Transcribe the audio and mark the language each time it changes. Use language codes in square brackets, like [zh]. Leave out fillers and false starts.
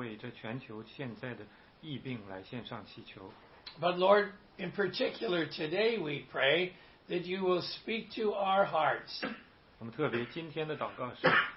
[zh] 我们会在周六的时候，主啊，特别的为这全球现在的疫病来献上祈求。 [en] But Lord, in particular, today we pray that you will speak to our hearts. [zh] 我们特别今天的祷告是。